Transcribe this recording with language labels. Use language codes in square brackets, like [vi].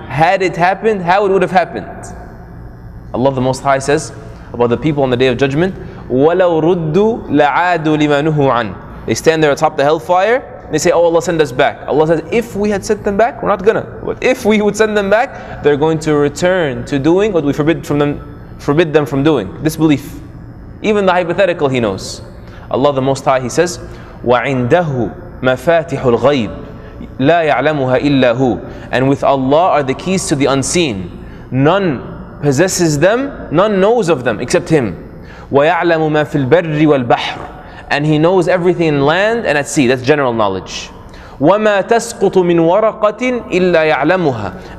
[en] Had it happened, how it would have happened. Allah the Most High says about the people on the Day of Judgment, [ar] وَلَوْ رُدُّوا لَعَادُوا لِمَا نُهُوا عَنْ. [en] They stand there atop the hellfire, they say, oh Allah, send us back. Allah says, if we had sent them back, we're not gonna. But if we would send them back, they're going to return to doing what we forbid them from doing. Disbelief. Even the hypothetical, He knows. Allah the Most High, He says, [ar] وَعِنْدَهُ مَفَاتِحُ الْغَيْبِ لَا يَعْلَمُهَا إِلَّا هُوَ. [en] And with Allah are the keys to the unseen. None possesses them, none knows of them except Him. [ar] وَيَعْلَمُ مَا فِي الْبَرِّ وَالْبَحْرِ. [en] And He knows everything in land and at sea. That's general knowledge. [ar] وَمَا تَسْقُطُ مِنْ وَرَقَةٍ إِلَّا يَعْلَمُهَا.